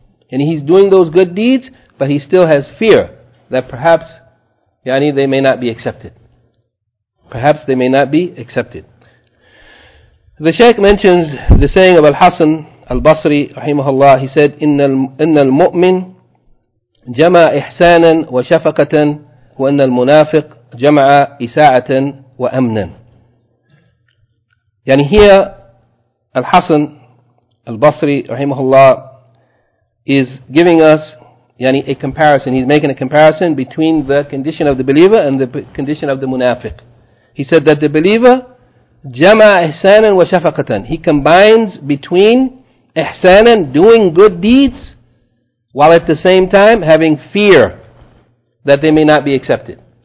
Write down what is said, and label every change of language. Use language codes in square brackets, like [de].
[en] And he's doing those good deeds, but he still has fear that perhaps, yani, they may not be accepted. Perhaps they may not be accepted. The Shaykh mentions the saying of Al-Hasan Al-Basri, rahimahullah, he said, [ar] إِنَّ الْمُؤْمِنِ جمع إحسانا وشفقة وأن المنافق جمع إساعة وأمنا. يعني هي الحسن البصري رحمه الله [en] is giving us [ar] يعني [en] a comparison. He's making a comparison between the condition of the believer and the condition of the munafiq. He said that the believer [ar] جمع إحسانا وشفقة. [en] He combines between إحسانا, doing good deeds, while at the same time having fear that they may not be accepted.